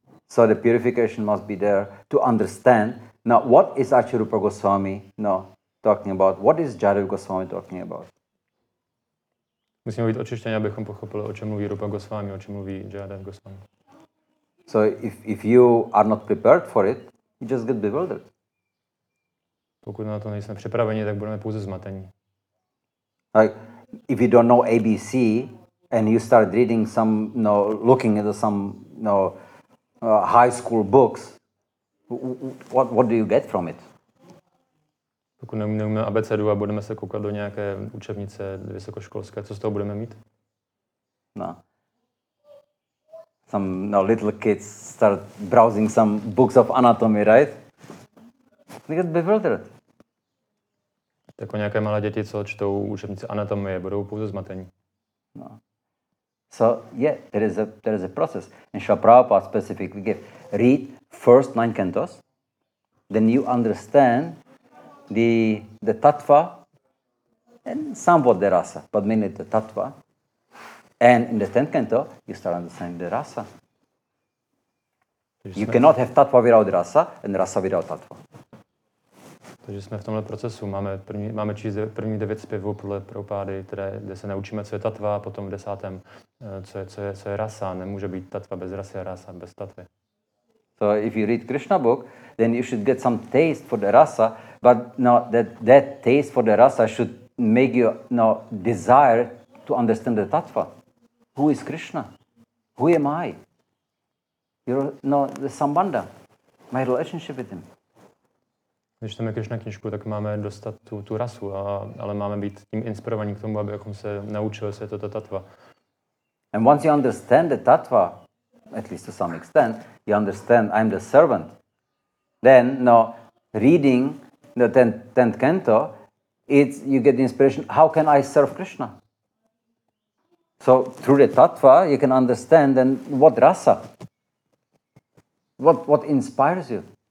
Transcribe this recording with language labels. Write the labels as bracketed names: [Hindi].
[English] So the purification must be there to understand now what is actually Rupa Goswami no talking about, what is Jadav Goswami talking about. [Czech] Musíme být očištěni, abychom pochopili, o čem mluví Rupa Goswami, o čem mluví Jadav Goswami. [English] So if you are not prepared for it, you just get bewildered. [Czech] Pokud na to nejsme připraveni, tak budeme pouze zmatení. [English] Like if you don't know ABC and you start reading some no looking at some no high school books, what do you get from it? [Czech] Pokud neumíme abecedu a budeme se koukat do nějaké učebnice vysokoškolské, co z toho budeme mít? [English] No. Some no, little kids start browsing some books of anatomy, right? They get bewildered. [Czech] Tak nějaké malé děti, co čtou učebnice anatomie, budou pouze zmatení. [English] No. So, yeah, there is a process. And Srila Prabhupada specifically gave, read first 9 cantos, then you understand the tattva and somewhat the rasa, but mainly the tattva. And in the 10th canto, you start understanding the rasa. You cannot have tattva without rasa and rasa without tattva. [Czech] Takže jsme v tomhle procesu, máme číst první 9 zpěvů podle Prabhupády, kde se naučíme, co je tatva, a potom v 10. co je rasa. Nemůže být tatva bez rasy a rasa bez tatvy. [English] So if you read Krishna book, then you should get some taste for the rasa, but no, that taste for the rasa should make you no desire to understand the tatva. Who is Krishna? Who am I? You're no the sambandha, my relationship with him. [Czech] Když tam je Krišna knižku, tak máme dostat tu rasu, ale máme být tím inspirovaní k tomu, abychom se naučili se toto tatva. [English] And once you understand the tatva, at least to some extent, you understand I'm the servant. Then, no, reading the 10th canto, it's you get the inspiration, how can I serve Krishna? So through the tattva, you can understand then what rasa, what inspires you.